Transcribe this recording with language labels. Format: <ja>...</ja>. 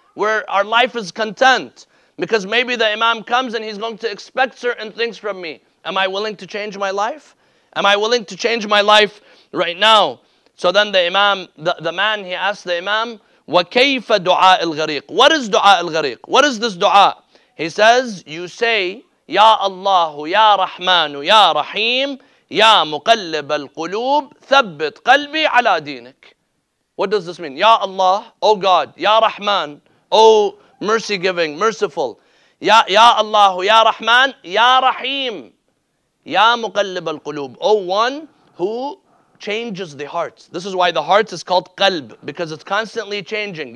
<en>Our life is content because maybe the Imam comes and he's going to expect certain things from me. Am I willing to change my life? Am I willing to change my life right now? So then the Imam, the man, he asked the Imam,</en> <ar>وَكَيْفَ دُعَاءِ الْغَرِيقِ.</ar> <en>What is</en> <ar>دُعَاءِ الْغَرِيقِ?</ar> <en>What is this dua? He says, you say,</en> <ar>يَا اللَّهُ يَا رَحْمَانُ يَا رَحِيمُ يَا مُقَلِّبَ الْقُلُوبِ ثَبِّتْ قَلْبِي عَلَى دِينِكَ.</ar> <en>What does this mean?</en> <ar>يَا اللَّهُ,</ar> <en>oh God,</en> <ar>يَا رَحْمَانُ,</ar> <en>oh mercy giving, merciful.</en> <ar>يَا اللَّهُ يَا رَحْمَانُ يَا رَحِيمُ يَا مُقَلِّبَ الْقُلُوبِ.</ar> <en>Oh one who changes the heart. This is why the heart is called qalb, because it's constantly changing.</en>